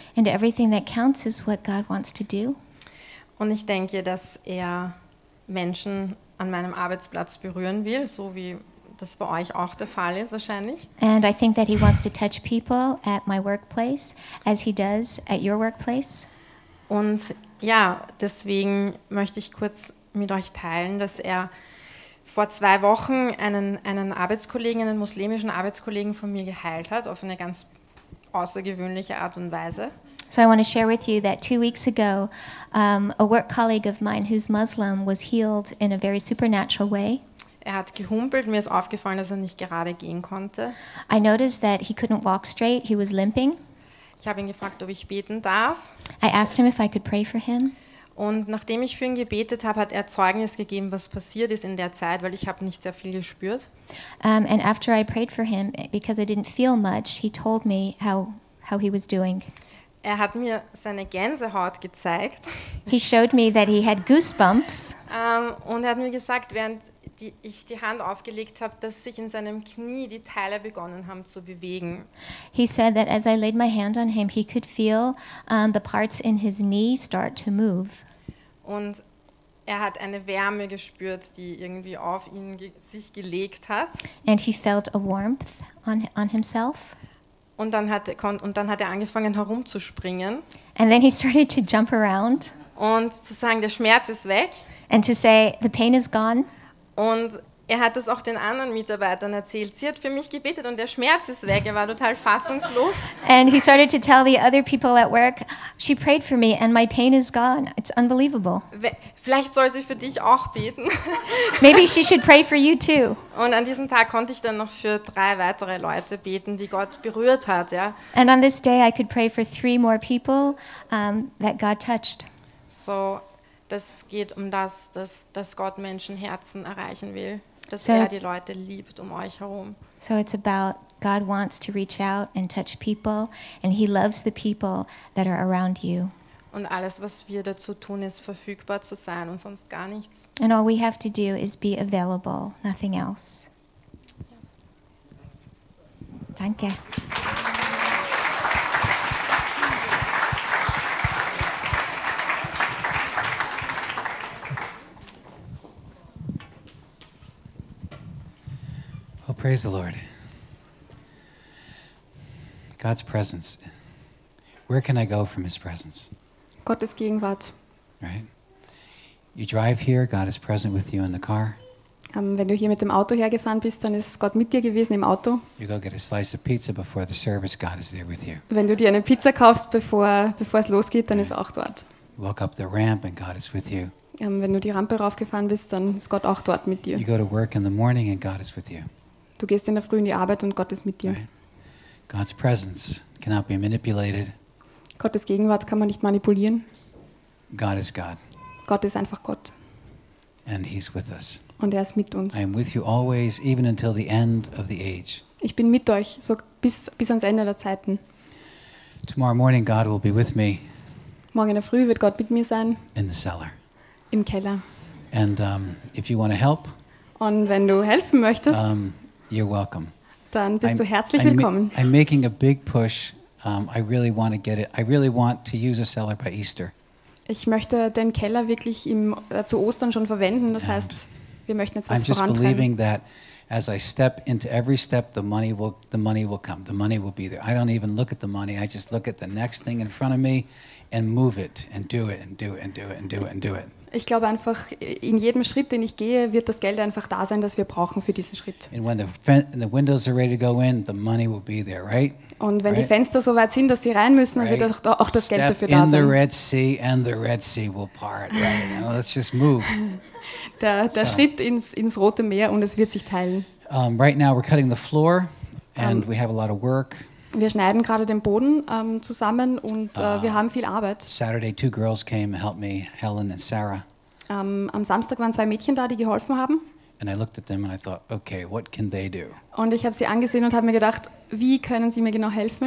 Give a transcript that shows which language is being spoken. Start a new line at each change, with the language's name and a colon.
English: And everything that counts is what God wants to do.
German: Und ich denke, dass er Menschen an meinem Arbeitsplatz berühren will, so wie das bei euch auch der Fall ist wahrscheinlich.
English: And I think that he wants to touch people at my workplace, as he does at your workplace.
German: Und ja, deswegen möchte ich kurz mit euch teilen, dass er vor 2 Wochen einen Arbeitskollegen, einen muslimischen Arbeitskollegen von mir geheilt hat, auf eine ganz außergewöhnliche Art und Weise.
English: So I want to share with you that 2 weeks ago, a work colleague of mine who's Muslim was healed in a very supernatural way.
German: Er hat gehumpelt, mir ist aufgefallen, dass er nicht gerade gehen konnte.
English: I noticed that he couldn't walk straight, he was limping.
German: Ich habe ihn gefragt, ob ich beten darf.
English: I asked him if I could pray for him.
German: Und nachdem ich für ihn gebetet habe, hat er Zeugnis gegeben, was passiert ist in der Zeit, weil ich habe nicht sehr viel gespürt.
English: And after I prayed for him, because I didn't feel much, he told me how he was doing.
German: Er hat mir seine Gänsehaut gezeigt.
English: He showed me that he had goosebumps.
German: Und er hat mir gesagt, während ich die Hand aufgelegt habe, dass sich in seinem Knie die Teile begonnen haben zu bewegen.
English: He said that as I laid my hand on him, he could feel the parts in his knee start to move.
German: Und er hat eine Wärme gespürt, die irgendwie auf ihn sich gelegt hat.
English: And he felt a warmth on himself.
German: Und dann hat er angefangen herumzuspringen.
English: And then he started to jump around.
German: Und zu sagen, der Schmerz ist weg.
English: And to say, the pain is gone.
German: Und er hat das auch den anderen Mitarbeitern erzählt. Sie hat für mich gebetet und der Schmerz ist weg. Er war total fassungslos.
English: And he started to tell the other people at work, she prayed for me and my pain is gone. It's unbelievable.
German: Vielleicht soll sie für dich auch beten.
English: Maybe she should pray for you too.
German: Und an diesem Tag konnte ich dann noch für 3 weitere Leute beten, die Gott berührt hat, ja.
English: And on this day I could pray for 3 more people that God touched.
German: So das geht um das, dass Gott Menschenherzen erreichen will, dass so, er die Leute liebt um euch herum.
English: So it's about God wants to reach out and touch people and he loves the people that are around you.
German: Und alles, was wir dazu tun, ist verfügbar zu sein und sonst gar nichts.
English: And all we have to do is be available, nothing else. Yes.
German: Danke.
English: Praise the Lord. God's presence. Where can I go from His presence?
German: Gottes Gegenwart.
English: Right? You drive here, God is present with you in the car.
German: Wenn du hier mit dem Auto hergefahren bist, dann ist Gott mit dir gewesen im Auto.
English: You go get a slice of pizza before the service, God is there with you.
German: Wenn du dir eine Pizza kaufst, bevor es losgeht, dann ist auch dort.
English: Walk up the ramp and God is with you.
German: Wenn du die Rampe raufgefahren bist, dann ist Gott auch dort mit dir.
English: You go to work in the morning and God is with you.
German: Du gehst in der Früh in die Arbeit und Gott ist mit dir.
English: Right. God's presence cannot be manipulated.
German: Gottes Gegenwart kann man nicht manipulieren.
English: God is God.
German: Gott ist einfach Gott.
English: And he's with us.
German: Und er ist mit uns.
English: I am with you always, even until the end of the age.
German: Ich bin mit euch, so bis ans Ende der Zeiten.
English: Tomorrow morning God will be with me.
German: Morgen in der Früh wird Gott mit mir sein.
English: In the cellar.
German: Im Keller.
English: And if you want to help.
German: Und wenn du helfen möchtest.
English: You're welcome.
German: Dann bist du herzlich willkommen.
English: I'm making a big push. I really want to get it. I really want to use a cellar by Easter.
German: Ich möchte den Keller wirklich zu Ostern schon verwenden. Das heißt, wir möchten jetzt was vorantreiben.
English: I'm just believing that as I step into every step, the money will come. The money will be there. I don't even look at the money. I just look at the next thing in front of me and move it and do it and do it and do it and do it and do it.
German: Ich glaube einfach, in jedem Schritt, den ich gehe, wird das Geld einfach da sein, das wir brauchen für diesen Schritt. Und wenn
English: right?
German: die Fenster so weit sind, dass sie rein müssen, dann wird auch das Geld dafür da sein.
English: In the Red Sea and the Red Sea will part. Right? Now, let's just move. Der so.
German: Schritt ins Rote Meer und es wird sich teilen.
English: Right now we're cutting the floor and we have a lot of work.
German: Wir schneiden gerade den Boden zusammen und wir haben viel Arbeit.
English: Saturday two girls came and helped me, Helen and Sarah.
German: Am Samstag waren zwei Mädchen da, die geholfen haben.
English: And I looked at them and I thought, okay, what can they do?
German: Und ich habe sie angesehen und habe mir gedacht, wie können sie mir genau helfen?